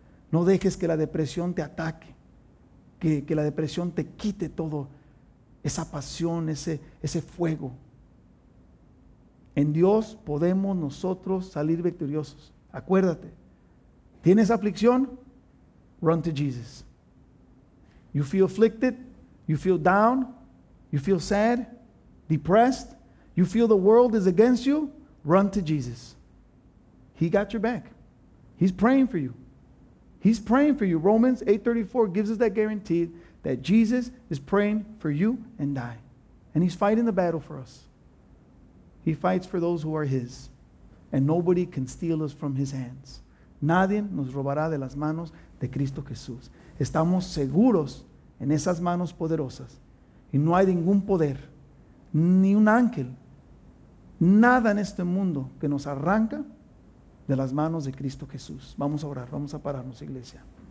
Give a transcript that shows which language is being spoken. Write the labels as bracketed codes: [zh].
[es] No dejes que la depresión te ataque, que la depresión te quite todo, esa pasión, ese fuego. En Dios podemos nosotros salir victoriosos. Acuérdate, tienes aflicción, [en] run to Jesus. You feel afflicted, you feel down, you feel sad, depressed, You feel the world is against you? Run to Jesus. He got your back. He's praying for you. He's praying for you. Romans 8:34 gives us that guarantee that Jesus is praying for you and I. And he's fighting the battle for us. He fights for those who are his. And nobody can steal us from his hands. [es] Nadie nos robará de las manos de Cristo Jesús. Estamos seguros en esas manos poderosas. Y no hay ningún poder, ni un ángel, nada en este mundo que nos arranca de las manos de Cristo Jesús. Vamos a orar, vamos a pararnos, iglesia.